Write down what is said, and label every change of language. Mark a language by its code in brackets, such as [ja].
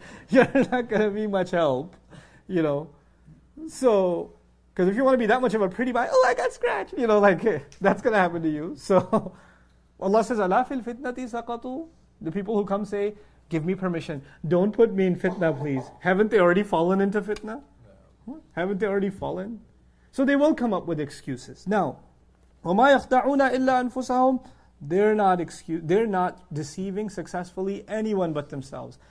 [en] you're not going to be much help. So, because if you want to be that much of a pretty boy, oh, I got scratched. That's going to happen to you. So, Allah says, [ar] أَلَا فِي الْفِتْنَةِ سَقَطُوا. [en] The people who come say, give me permission. Don't put me in fitna, please. Haven't they already fallen into fitna? No. Haven't they already fallen? So they will come up with excuses. Now, [ar] وَمَا يَخْدَعُونَ إِلَّا أَنفُسَهُمْ. [en] They're not deceiving successfully anyone but themselves.